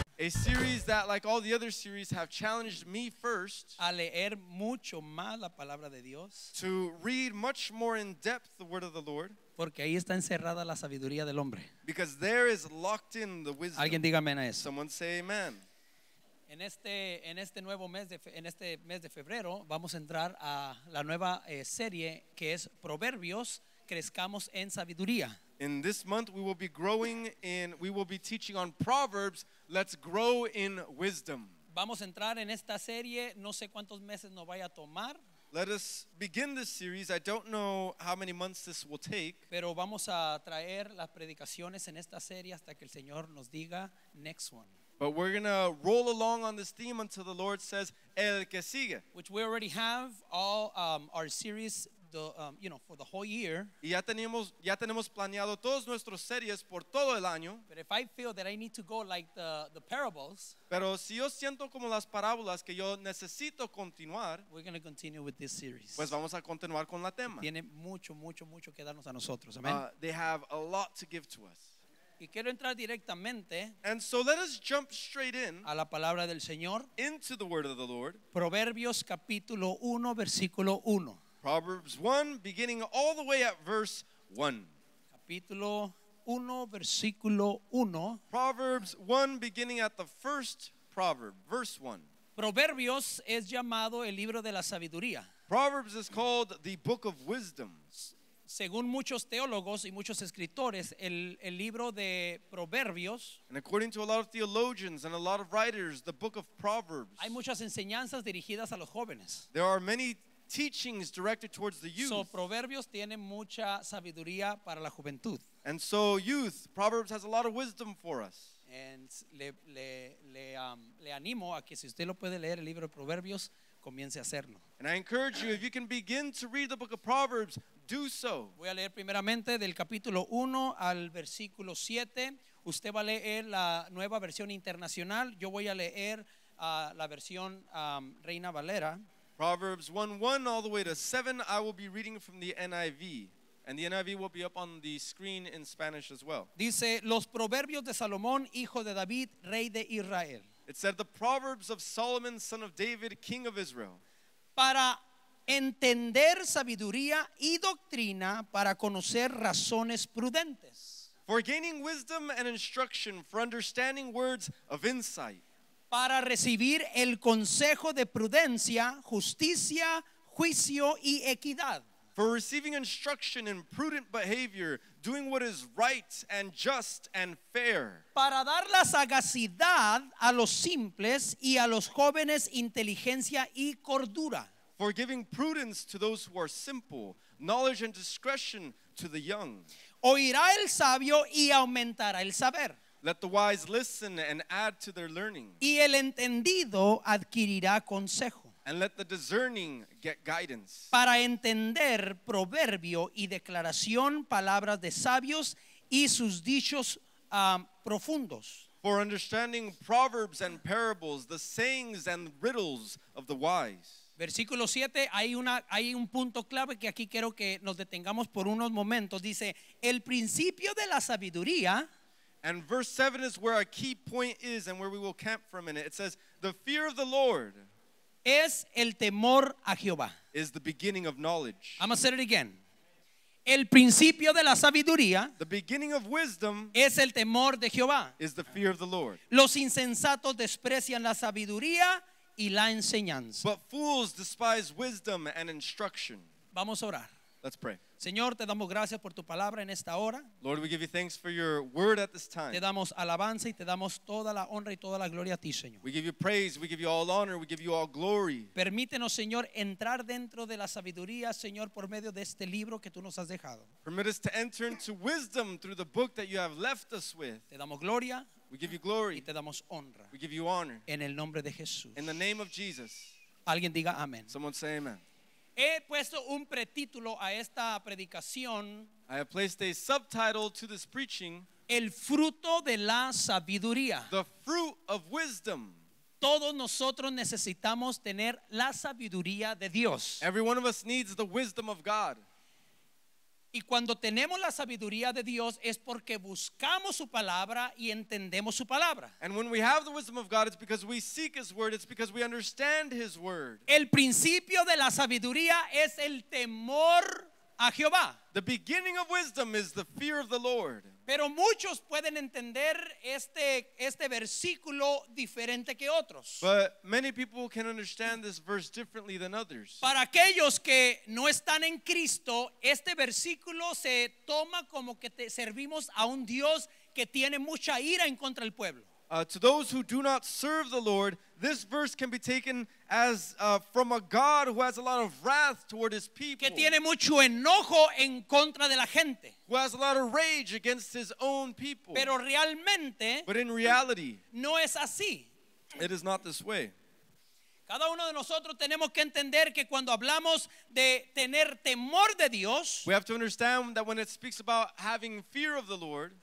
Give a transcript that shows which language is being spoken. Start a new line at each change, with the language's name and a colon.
English: series that, like all the other series, have challenged me first.
Spanish: A leer mucho más la palabra de Dios.
English: To read much more in depth the word of the Lord.
Spanish: Porque ahí está encerrada la sabiduría del hombre.
English: Because there is locked in the wisdom.
Spanish: Alguien diga amén a eso.
English: Someone say amen.
Spanish: En este nuevo mes de febrero vamos a entrar a la nueva serie que es Proverbios, crezcamos en sabiduría.
English: In this month we will be growing in, we will be teaching on Proverbs, let's grow in wisdom.
Spanish: Vamos a entrar en esta serie, no sé cuántos meses nos vaya a tomar.
English: Let us begin this series. I don't know how many months this will take.
Spanish: Pero vamos a traer las predicaciones en esta serie hasta que el Señor nos diga
English: next one. But we're going to roll along on this theme until the Lord says,
Spanish: el que sigue.
English: Which we already have all our series, for the whole year.
Spanish: Y ya tenemos planeado todos nuestros series por todo el año.
English: But if I feel that I need to go like the parables.
Spanish: Pero si yo siento como las parábolas que yo necesito continuar.
English: We're going to continue with this series.
Spanish: Pues vamos a continuar con la tema. Tiene mucho, mucho, mucho que darnos a nosotros.
English: Amen. They have a lot to give to us.
Spanish: Y quiero entrar directamente.
English: And so let us jump straight in.
Spanish: A la palabra del Señor.
English: Into the word of the Lord.
Spanish: Proverbios capítulo 1, versículo 1.
English: Proverbs 1, beginning all the way at verse 1.
Spanish: Capítulo 1, versículo 1.
English: Proverbs 1, beginning at the first proverb, verse 1.
Spanish: Proverbios es llamado el libro de la sabiduría.
English: Proverbs is called the book of wisdom.
Spanish: Según muchos teólogos y muchos escritores, el libro de Proverbios.
English: And according to a lot of theologians and a lot of writers, the book of Proverbs.
Spanish: Hay muchas enseñanzas dirigidas a los jóvenes.
English: There are many teachings directed towards the youth.
Spanish: So Proverbios tiene mucha sabiduría para la juventud.
English: And so youth, Proverbs has a lot of wisdom for us.
Spanish: And le animo a que si usted lo puede leer el libro de Proverbios, comience a hacerlo.
English: And I encourage you, if you can begin to read the book of Proverbs, do so.
Spanish: Voy a leer primeramente del capítulo 1 al versículo 7. Usted va a leer la nueva versión internacional. Yo voy a leer la versión Reina Valera.
English: Proverbs 1:1 all the way to 7, I will be reading from the NIV. And the NIV will be up on the screen in Spanish as well.
Spanish: Dice, los proverbios de Salomón, hijo de David, rey de Israel.
English: It said, the proverbs of Solomon, son of David, king of Israel.
Spanish: Para entender sabiduría y doctrina, para conocer razones prudentes.
English: For gaining wisdom and instruction, for understanding words of insight.
Spanish: Para recibir el consejo de prudencia, justicia, juicio y equidad.
English: For receiving instruction in prudent behavior, doing what is right and just and fair.
Spanish: Para dar la sagacidad a los simples y a los jóvenes inteligencia y cordura.
English: For giving prudence to those who are simple, knowledge and discretion to the young.
Spanish: Oirá el sabio y aumentará el saber.
English: Let the wise listen and add to their learning.
Spanish: Y el entendido adquirirá consejo.
English: And let the discerning get guidance.
Spanish: Para entender proverbio y declaración, palabras de sabios y sus dichos profundos.
English: For understanding proverbs and parables, the sayings and riddles of the wise.
Spanish: Versículo 7, hay un punto clave que aquí quiero que nos detengamos por unos momentos. Dice, el principio de la sabiduría.
English: And verse 7 is where a key point is and where we will camp for a minute. It says, the fear of the Lord
Spanish: es el temor a Jehová.
English: Is the beginning of knowledge. I'm going to say it again.
Spanish: El principio de la sabiduría,
English: the beginning of wisdom,
Spanish: es el temor de Jehová.
English: Is the fear of the Lord.
Spanish: Los insensatos desprecian la sabiduría y la enseñanza.
English: But fools despise wisdom and instruction.
Spanish: Vamos a orar.
English: Let's pray.
Spanish: Señor, te damos gracias por tu palabra en esta hora.
English: Lord, we give you thanks for your word at this time.
Spanish: Te damos alabanza y te damos toda la honra y toda la gloria a ti, Señor.
English: We give you praise, we give you all honor, we give you all glory.
Spanish: Permítenos, Señor, entrar dentro de la sabiduría, Señor, por medio de este libro que tú nos has dejado.
English: Permit us to enter into wisdom through the book that you have left us with.
Spanish: Te damos gloria.
English: We give you glory.
Spanish: Y te damos honra.
English: We give you honor.
Spanish: En el nombre de Jesús.
English: In the name of Jesus.
Spanish: Alguien diga amén.
English: Someone say amen.
Spanish: He puesto un pretítulo a esta predicación.
English: I have placed a subtitle to this preaching.
Spanish: El fruto de la sabiduría.
English: The fruit of wisdom.
Spanish: Todos nosotros necesitamos tener la sabiduría de Dios.
English: Every one of us needs the wisdom of God.
Spanish: Y cuando tenemos la sabiduría de Dios es porque buscamos su palabra y entendemos su palabra.
English: And when we have the wisdom of God, it's because we seek his word, it's because we understand his word.
Spanish: El principio de la sabiduría es el temor a Jehová.
English: The beginning of wisdom is the fear of the Lord.
Spanish: Pero muchos pueden entender este versículo diferente que otros.
English: But many people can understand this verse differently than others.
Spanish: Para aquellos que no están en Cristo, este versículo se toma como que servimos a un Dios que tiene mucha ira en contra del pueblo.
English: To those who do not serve the Lord, this verse can be taken as from a God who has a lot of wrath toward his people.
Spanish: Que tiene mucho enojo en contra de la gente.
English: Who has a lot of rage against his own people.
Spanish: Pero realmente,
English: but in reality,
Spanish: no es así.
English: It is not this way.
Spanish: Cada uno de nosotros tenemos que entender que cuando hablamos de tener temor de Dios,
English: we have to understand that when it speaks about having fear of the Lord,